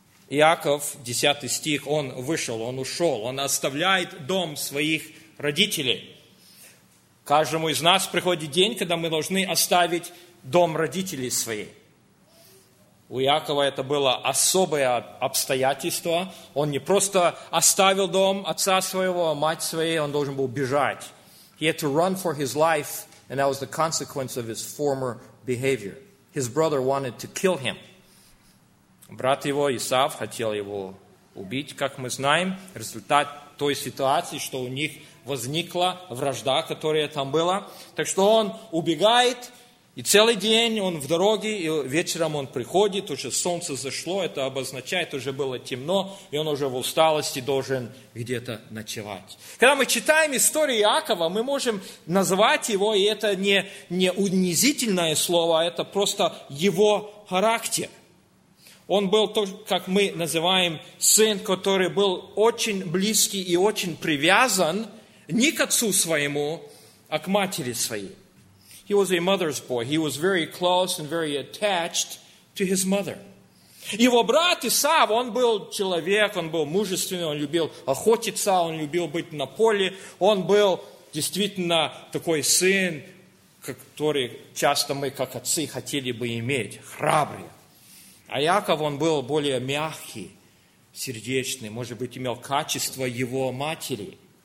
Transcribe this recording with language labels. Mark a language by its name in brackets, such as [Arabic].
[Russian] Иаков, 10 стих, он вышел, он ушел, он оставляет дом своих родителей. Каждому из нас приходит день, когда мы должны оставить дом родителей своих. У Иакова это было особое обстоятельство. Он не просто оставил дом отца своего, а мать своей, он должен был бежать. [English] He had to run for his life, and that was the consequence of his former behavior. His brother wanted to kill him. [Russian] Брат его, Исав, хотел его убить, как мы знаем. Результат той ситуации, что у них возникла вражда, которая там была. Так что он убегает, и целый день он в дороге, и вечером он приходит, уже солнце зашло, это обозначает, уже было темно, и он уже в усталости должен где-то ночевать. Когда мы читаем историю Иакова, мы можем назвать его, и это не унизительное слово, а это просто его характер. Он был то, как мы называем, сын, который был очень близкий и очень привязан не к отцу своему, а к матери своей. [English] He was a mother's boy. He was very close and very attached to his mother. [Russian] Его брат Исав, он был человек, он был мужественный, он любил охотиться, он любил быть на поле. Он был действительно такой сын, который часто мы, как отцы, хотели бы иметь, храбрый. А Иаков, он был более мягкий, сердечный, может быть, имел качество его матери.